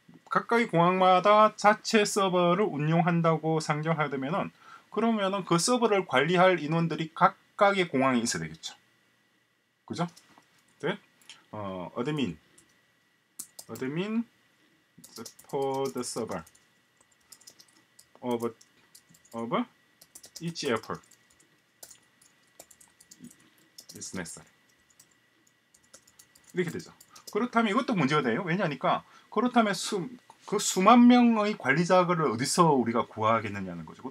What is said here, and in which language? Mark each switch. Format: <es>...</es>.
<ko>각각의 공항마다 자체 서버를 운영한다고 상정하다면은 그러면은 그 서버를 관리할 인원들이 각각의 공항에 있어야 되겠죠. 그죠? 네.</ko> <en>어드민 for the server of each airport is necessary.</en> <ko>이렇게 되죠. 그렇다면 이것도 문제가 돼요. 왜냐니까 그렇다면 그 수만 명의 관리자를 어디서 우리가 구하겠느냐는 거죠.</ko>